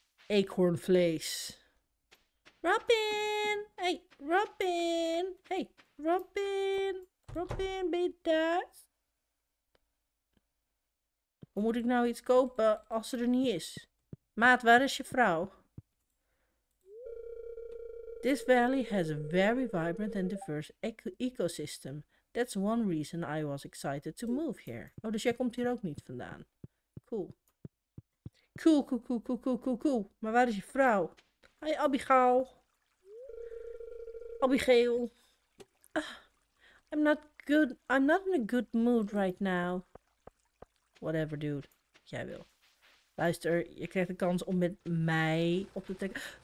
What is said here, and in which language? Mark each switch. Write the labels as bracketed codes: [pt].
[nl] Eekhoornvlees. Robin! Hey, Robin! Hey, Robin! Robin, ben je thuis? Hoe moet ik nou iets kopen als ze er niet is? Maat, waar is je vrouw? [en] This valley has a very vibrant and diverse ecosystem. That's one reason I was excited to move here. [nl] Oh, dus jij komt hier ook niet vandaan. Cool. Cool, cool, cool, cool, cool, cool, cool. Maar waar is je vrouw? [en] Hi, Abigail. Abigail. I'm not in a good mood right now. Whatever, dude. [nl] Jij wil. Luister, je krijgt de kans om met mij op te trekken.